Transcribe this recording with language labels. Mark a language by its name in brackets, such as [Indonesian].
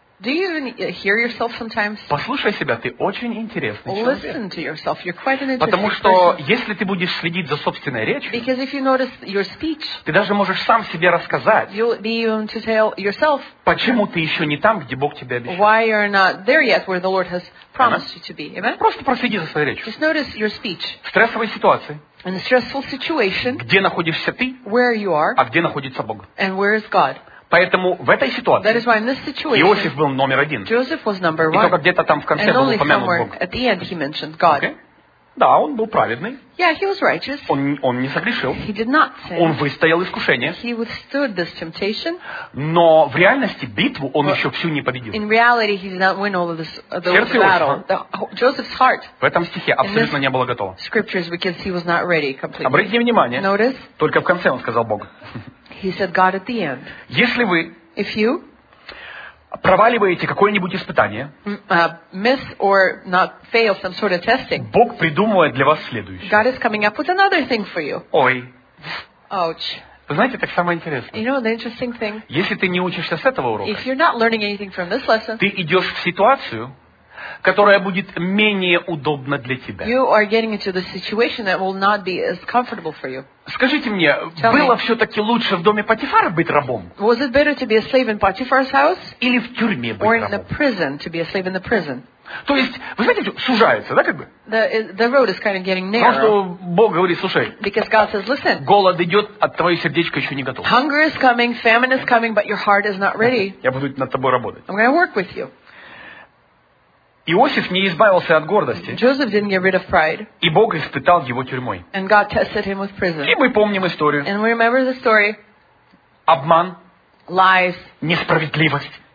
[English] Do you even hear yourself sometimes? [Russian] Послушай себя, ты очень интересный человек. [English] Listen to yourself, you're quite an interesting person. [Russian] Потому что если ты будешь следить за собственной речью, [English] because if you notice your speech, [Russian] ты даже можешь сам себе рассказать, [English] you'll be able to tell yourself, [Russian] почему ты еще не там, где Бог тебе обещал. [English] Why you're not there yet, where the Lord has promised you to be. Amen? [Russian] Просто проследи за своей речью. [English] Just notice your speech. [Russian] В стрессовой ситуации. [English] In a stressful situation. [Russian] Где находишься ты? [English] Where you are. [Russian] А где находится Бог? [English] And where is God? [Russian] Поэтому в этой ситуации Иосиф был номер один. [English] One, [Russian] и только где-то там в конце был упомянут Бог. [English] Okay. [Russian] Да, он был праведный. [English] Yeah, he was righteous. [Russian] Он не согрешил. [English] He did not sin. [Russian] Он выстоял искушение. [English] He withstood this temptation. [Russian] Но в реальности битву он еще всю не победил. [English] In reality, he did not win all of this [Russian] сердце [English] battle. Joseph's heart. [Russian] В этом стихе абсолютно не было готово. [English] Scriptures, we can see, was not ready completely. [Russian] Обратите внимание. [English] Notice. [Russian] Только в конце он сказал Богу. [English] He said, "God, at the end." [Russian] Если вы [English] if you [Russian] проваливаете какое-нибудь испытание, [English] miss or not fail some sort of testing, [Russian] Бог придумывает для вас следующее. [English] God is coming up with another thing for you. [Russian] Ой. [English] Ouch. [Russian] Вы знаете, так самое интересное. [English] You know the interesting thing. [Russian] Если ты не учишься с этого урока, [English] if you're not learning anything from this lesson, [Russian] ты идешь в ситуацию, которая будет менее удобна для тебя. [English] You are getting into the situation that will not be as comfortable for you. [Russian] Скажите мне, tell было me, все-таки лучше в доме Потифара быть рабом? [English] Was it better to be a slave in Potiphar's house? [Russian] Или в тюрьме быть [English] or [Russian] рабом? [English] Or in the prison to be a slave in the prison? [Russian] То есть, вы знаете, сужается, да, как бы? [English] The road is kind of getting narrow. [Russian] Потому что Бог говорит, слушай. [English] Because God says, listen. [Russian] Голод идет, а твое сердечко еще не готово. [English] Hunger is coming, famine is coming, but your heart is not ready. [Russian] Я буду над тобой работать. [English] I'm going to work with you. [Russian] Иосиф не избавился от гордости. [English] Joseph didn't get rid of pride. [Russian] И Бог испытал его тюрьмой. [English] And God tested him with prison. [Russian] И мы помним историю. [English] And we remember the story. [Russian] Обман. [English] Lies. [Russian] Несправедливость.